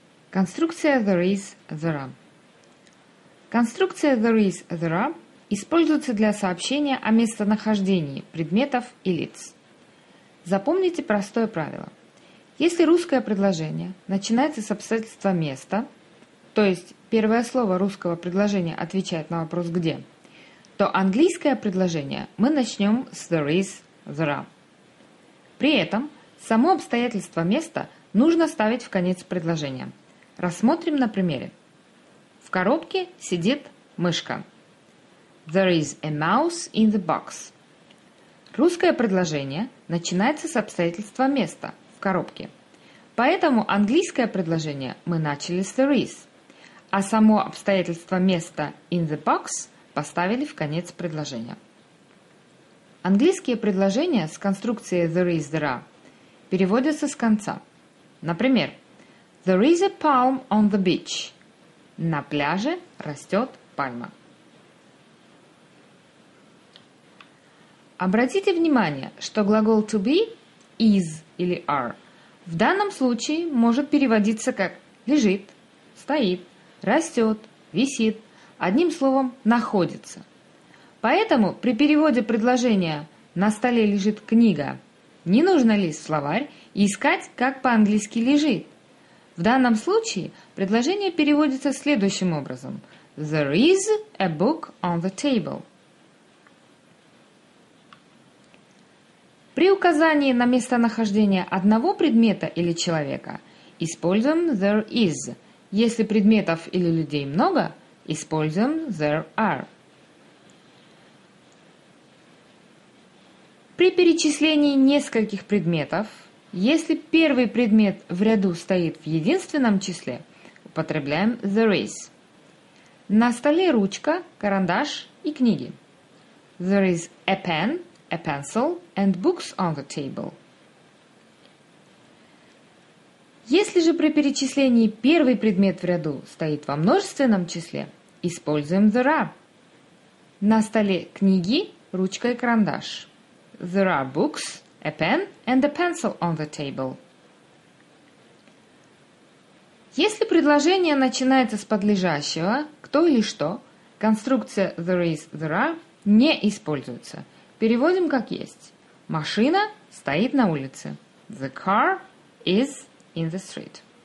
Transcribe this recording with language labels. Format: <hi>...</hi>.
<ru>Конструкция there is, there are. Конструкция there is, there are используется для сообщения о местонахождении предметов и лиц. Запомните простое правило. Если русское предложение начинается с обстоятельства места, то есть первое слово русского предложения отвечает на вопрос «где», то английское предложение мы начнем с there is, there are. При этом само обстоятельство места нужно ставить в конец предложения. Рассмотрим на примере. В коробке сидит мышка.</ru> <en>There is a mouse in the box.</en> <ru>Русское предложение начинается с обстоятельства места в коробке. Поэтому английское предложение мы начали с there is, а само обстоятельство места in the box поставили в конец предложения. Английские предложения с конструкцией there is, there are переводятся с конца.</ru> <en>Например, there is a palm on the beach.</en> <ru>На пляже растет пальма. Обратите внимание, что глагол to be, is или are в данном случае может переводиться как лежит, стоит, растет, висит, одним словом находится. Поэтому при переводе предложения «на столе лежит книга» не нужно лезть в словарь и искать, как по-английски лежит. В данном случае предложение переводится следующим образом.</ru> <en>There is a book on the table.</en> <ru>При указании на местонахождение одного предмета или человека используем there is. Если предметов или людей много, используем there are. При перечислении нескольких предметов, если первый предмет в ряду стоит в единственном числе, употребляем there is. На столе ручка, карандаш и книги.</ru> <en>There is a pen, a pencil and books on the table.</en> <ru>Если же при перечислении первый предмет в ряду стоит во множественном числе, используем there are. На столе книги, ручка и карандаш.</ru> <en>There are books, a pen and a pencil on the table.</en> <ru>Если предложение начинается с подлежащего, кто или что, конструкция there is, there are не используется. Переводим как есть. Машина стоит на улице.</ru> <en>The car is in the street.</en>